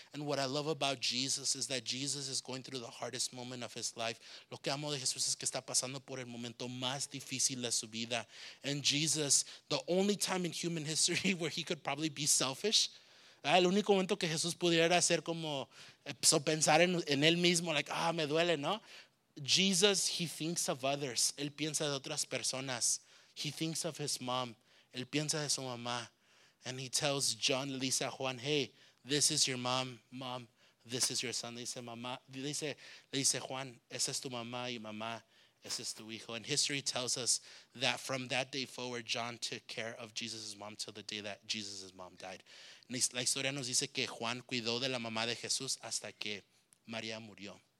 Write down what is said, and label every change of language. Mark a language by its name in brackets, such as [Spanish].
[English] And what I love about Jesus is that Jesus is going through the hardest moment of his life. [Spanish] Lo que amo de Jesús es que está pasando por el momento más difícil de su vida. [English] And Jesus, the only time in human history where he could probably be selfish, [Spanish] el único momento que Jesús pudiera hacer como pensar en él mismo, [English] like, [Spanish] ah, me duele, ¿no? [English] Jesus, he thinks of others. [Spanish] Él piensa de otras personas. [English] He thinks of his mom. [Spanish] Él piensa de su mamá. [English] And he tells John, [Spanish] le dice a Juan, [English] hey, this is your mom. Mom, this is your son. [Spanish] Le dice, mamá, le dice Juan, esa es tu mamá y mamá, ese es tu hijo. [English] And history tells us that from that day forward, John took care of Jesus' mom till the day that Jesus' mom died. [Spanish] La historia nos dice que Juan cuidó de la mamá de Jesús hasta que María murió.